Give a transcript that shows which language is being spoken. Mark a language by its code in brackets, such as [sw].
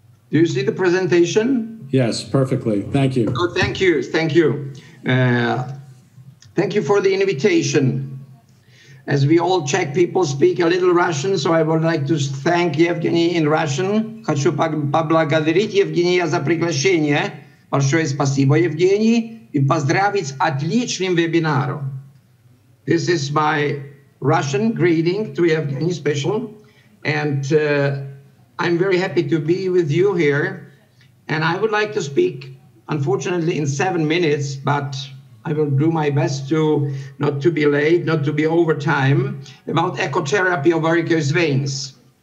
[en] Do you see the presentation? Yes, perfectly. Thank you. Oh, thank you. Thank you. Thank you for the invitation. As we all Czech people speak a little Russian, so I would like to thank Evgeny in Russian. [ru] Хочу поблагодарить Евгения за приглашение. Большое спасибо, Евгений, и поздравить с отличным вебинаром. [en] This is my Russian greeting to Evgeny special, and I'm very happy to be with you here. And I would like to speak, unfortunately, in 7 minutes, but I will do my best to not to be late, not to be over time, about echotherapy of varicose veins.